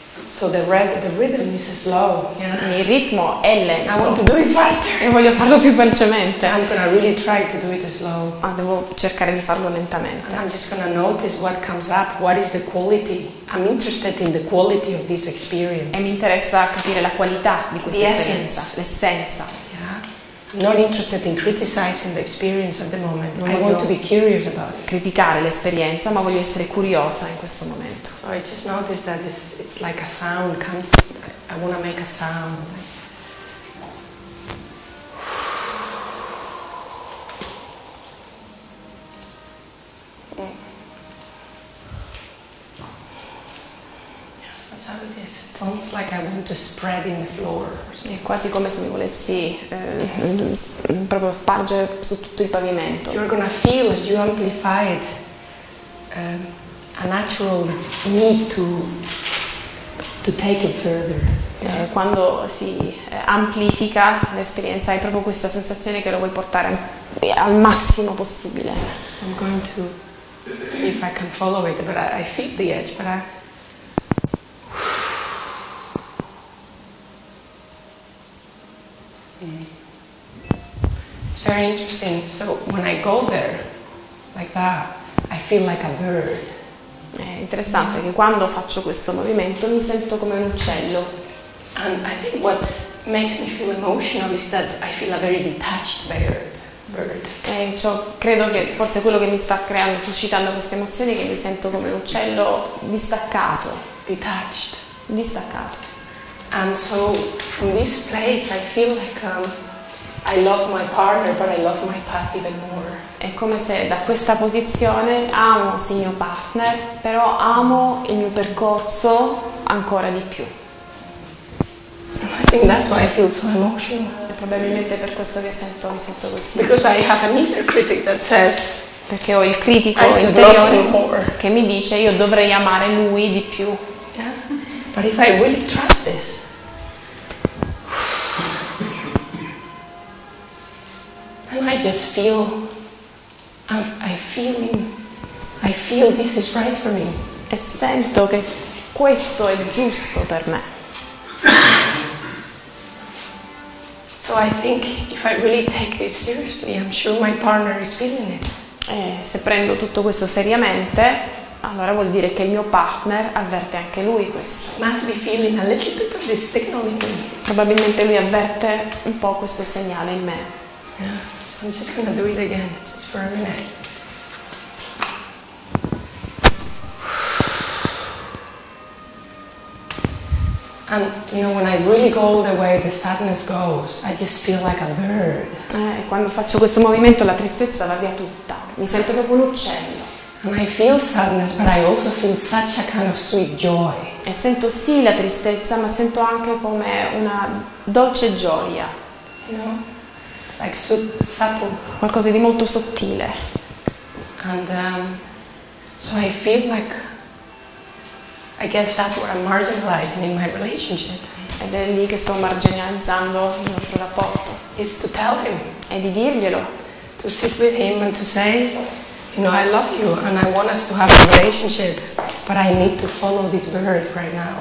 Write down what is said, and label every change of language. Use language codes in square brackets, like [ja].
[en] So the rhythm is slow. Yeah. [it] Il ritmo è lento. [en] I want to do it faster. [it] E voglio farlo più velocemente. [en] I'm gonna really try to do it slow. [it] Ah, devo cercare di farlo lentamente. [en] And I'm just gonna notice what comes up. What is the quality? I'm interested in the quality of this experience. [it] E mi interessa capire la qualità di questa esperienza. [en] Essence. [it] L'essenza. [en] Not interested in criticizing the experience at the moment. I want to be curious about it. [it] Criticare l'esperienza, ma voglio essere curiosa in questo momento. [en] So I just noticed that it's like a sound comes. I want to make a sound. It's almost like I want to spread in the floor. [it] È quasi come se mi volessi proprio spargere su tutto il pavimento. [en] You're gonna feel as you amplify it a natural need to take it further. [it] Quando si amplifica l'esperienza hai proprio questa sensazione che lo vuoi portare al massimo possibile. [en] I'm going to see if I can follow it, but I feel the edge, but it's very interesting. So when I go there like that, I feel like a bird. [it] È interessante che quando faccio questo movimento mi sento come un uccello. [en] And I think what makes me feel emotional is that I feel a very detached bird. [it] E ciò credo che forse quello che mi sta creando, suscitando queste emozioni, che mi sento come un uccello distaccato. [en] Detached. [it] Distaccato. [en] And so from this place I feel like I love my partner but I love my path even more. [it] È come se da questa posizione amo sì mio partner, però amo il mio percorso ancora di più. [en] I think that's why I feel so emotional. [it] È probabilmente per questo che mi sento così. [en] Because I have an inner critic that says [it] perché ho il critico interiore che mi dice io dovrei amare lui di più. [en] But if I really trust this, I might just feel, I feel this is right for me. [it] E sento che questo è giusto per me. [en] So I think if I really take this seriously, I'm sure my partner is feeling it. [it] E se prendo tutto questo seriamente, allora vuol dire che il mio partner avverte anche lui questo. [en] Must be feeling a little bit of this signal in me. [it] Probabilmente lui avverte un po' questo segnale in me. [en] Yeah. So I'm just gonna do it again, just for a minute. And you know, when I really go all the way, the sadness goes. I just feel like a bird. [it] Quando faccio questo movimento, la tristezza va via tutta. Mi sento proprio un uccello. [en] And I feel sadness, but I also feel such a kind of sweet joy. [it] E sento sì la tristezza, ma sento anche come una dolce gioia. [en] You know, like subtle. [it] Qualcosa di molto sottile. [en] And so I feel like, I guess that's what I'm marginalizing in my relationship. [it] Ed è lì che sto marginalizzando il nostro rapporto. [en] Is to tell him. [it] È di dirglielo. [en] To sit with him and to say, you know, I love you and I want us to have a relationship, but I need to follow this bird right now.